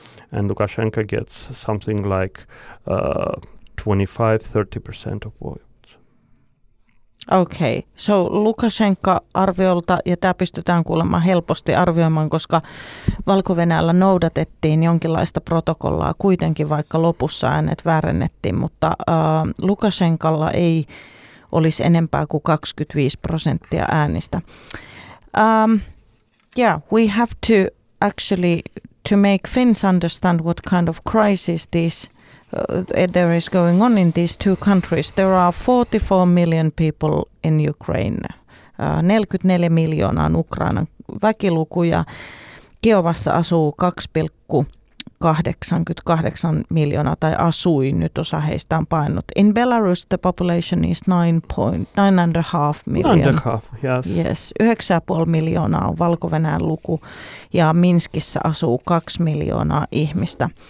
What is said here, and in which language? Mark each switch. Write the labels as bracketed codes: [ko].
[en] And Lukashenko gets something like 25-30% of votes. Okay, so [fi] Lukashenko arviolta, ja tämä pystytään kuulemaan helposti arvioimaan, koska Valko-Venäjällä noudatettiin jonkinlaista protokollaa kuitenkin, vaikka lopussa äänet väärennettiin, mutta Lukashenkalla ei olisi enempää kuin 25% äänistä. [en] We have to actually to make Finns understand what kind of crisis there is going on in these two countries. There are 44 million people in Ukraine. [fi] 44 miljoonaa on Ukrainan väkiluku ja Kiovassa asuu 2,88 miljoonaa tai asui, nyt osa heistä on paennut. [en] In Belarus the population is 9.5 million. 9.5, yes. [fi] Yes, 9.5 miljoonaa on Valko-Venäjän luku ja Minskissä asuu 2 miljoonaa ihmistä.